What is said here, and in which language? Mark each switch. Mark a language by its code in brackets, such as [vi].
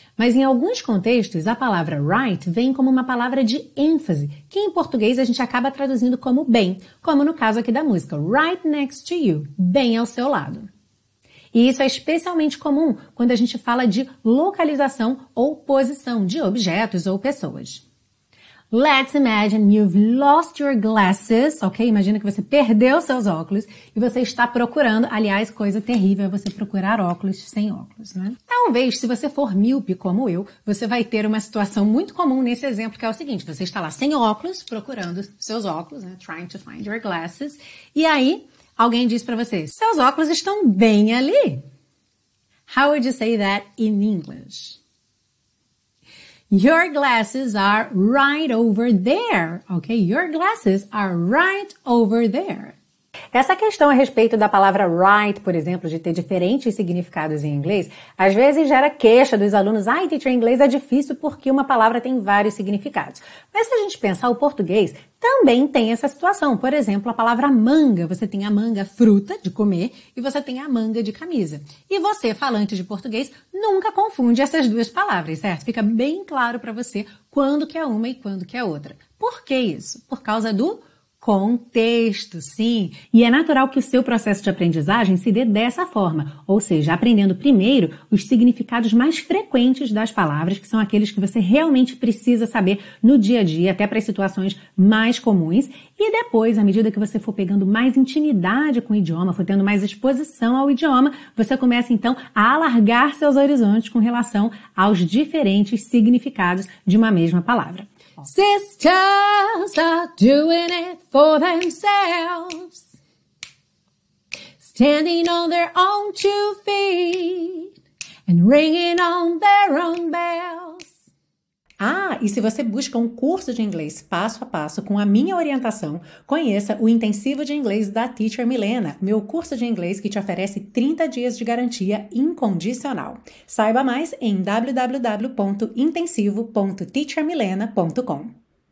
[pt] Mas em alguns contextos, a palavra right vem como uma palavra de ênfase, que em português a gente acaba traduzindo como bem, como no caso aqui da música, [en] right next to you, [pt] bem ao seu lado. E isso é especialmente comum quando a gente fala de localização ou posição de objetos ou pessoas. [en] Let's imagine you've lost your glasses, ok? [pt] Imagina que você perdeu seus óculos e você está procurando, aliás, coisa terrível é você procurar óculos sem óculos, né? Talvez, se você for míope como eu, você vai ter uma situação muito comum nesse exemplo, que é o seguinte, você está lá sem óculos, procurando seus óculos, né? [en] Trying to find your glasses, [pt] e aí alguém diz para você, seus óculos estão bem ali. [en] How would you say that in English? Your glasses are right over there, ok? Your glasses are right over there. [pt] Essa questão a respeito da palavra right, por exemplo, de ter diferentes significados em inglês, às vezes gera queixa dos alunos, ai, teacher, inglês é difícil porque uma palavra tem vários significados. Mas se a gente pensar, o português também tem essa situação. Por exemplo, a palavra manga, você tem a manga fruta de comer e você tem a manga de camisa. E você, falante de português, nunca confunde essas duas palavras, certo? Fica bem claro para você quando que é uma e quando que é outra. Por que isso? Por causa do contexto, sim. E é natural que o seu processo de aprendizagem se dê dessa forma, ou seja, aprendendo primeiro os significados mais frequentes das palavras, que são aqueles que você realmente precisa saber no dia a dia, até para as situações mais comuns, e depois, à medida que você for pegando mais intimidade com o idioma, for tendo mais exposição ao idioma, você começa então a alargar seus horizontes com relação aos diferentes significados de uma mesma palavra. [en] Sisters are doing it for themselves, standing on their own two feet and ringing on their own bells. [pt] Ah, e se você busca um curso de inglês passo a passo com a minha orientação, conheça o Intensivo de Inglês da Teacher Milena, meu curso de inglês que te oferece 30 dias de garantia incondicional. Saiba mais em www.intensivo.teachermilena.com.